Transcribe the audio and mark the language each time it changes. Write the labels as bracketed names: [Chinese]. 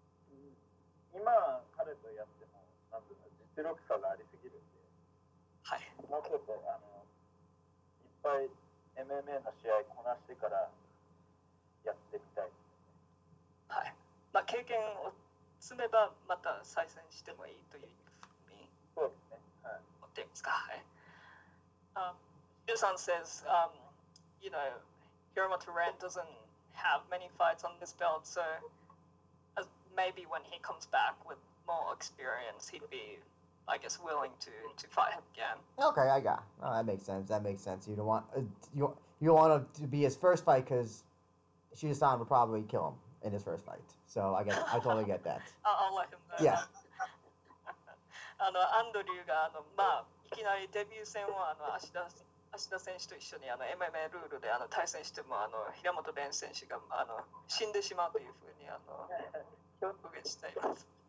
[Japanese] 今彼とやっても実力差がありすぎるんで、はい、もうちょっとあのいっぱい MMA の試合こなしてからやってみたい、ね、はい、まあ、経験を積めばまた再戦してもいいというふうに、そうですね、はい、思っていますか。 [English] はい、Yu San says you know Hiromoto Ren doesn't have many fights on this belt, so as maybe when he comes back withmore experience, he'd be, I guess, willing to fight again. Okay, I got. Oh, that makes sense. That makes sense. You don't want him to be his first fight because Shuda-san would probably kill him in his first fight. So I guess I totally get that. I'll let him know. Yeah. [Japanese] あのアンドリューがあのまあいきなりデビュー戦をあの足田選手と一緒にあの MMA ルールであの対戦してもあの平本蓮選手があの死んでしまうというふうにあの表現しています。